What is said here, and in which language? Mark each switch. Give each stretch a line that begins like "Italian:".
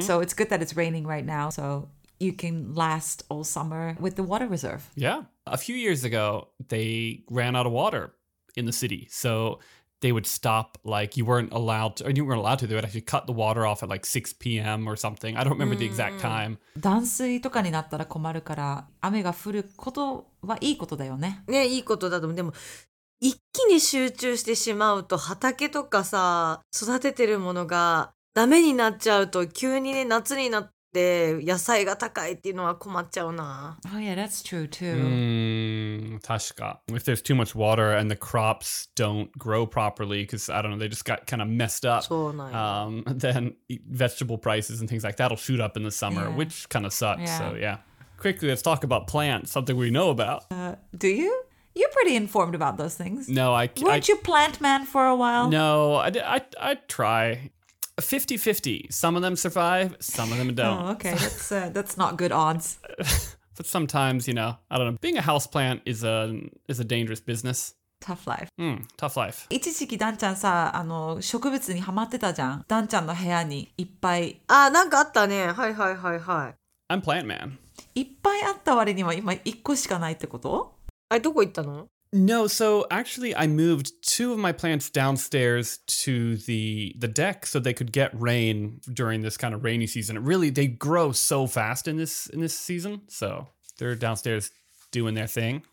English: So it's good that it's raining right now, so you can last all summer with the water reserve. Yeah. A few years ago, they ran out of water in the city. So they would stop, like, you weren't allowed to. They would actually cut the water off at, like, 6 p.m. or something. I don't remember the exact time.
Japanese: 断水とかになったら困るから、雨が降ることはいいことだよね。ね、いいことだと思う。でも、一気に集中してしまうと、畑とかさ、育ててるものがダメになっちゃうと、急にね、夏になって、で野菜が高いっていうのは困っちゃうな。
English: Oh yeah, that's true too.
Japanese: 確か。
English: If there's too much water and the crops don't grow properly, because I don't know, they just got kind of messed up.
Japanese: そうなんや。
English: Then vegetable prices and things like that'll shoot up in the summer, yeah. Which kind of sucks. Yeah. So yeah. Quickly, let's talk about plants, something we know about. Do you? You're pretty informed about those things. No, I can't. Weren't you plant man for a while? No, I try. 50-50. Some of them survive, some of them don't. Oh, okay. That's not good odds. But sometimes, you know, I don't know. Being a houseplant is a dangerous business. Tough life. Tough life.
Japanese: 一時期ダンちゃんさ、植物にハマってたじゃん。ダンちゃんの部屋にいっぱい。あ、なんかあったね。はいはいはいはい。
English: I'm plant man.
Japanese: いっぱいあった割には今一個しかないってこと？あ、どこ行ったの？
English: No, so actually I moved two of my plants downstairs to the deck so they could get rain during this kind of rainy season. It really, they grow so fast in this season, so they're downstairs doing their thing.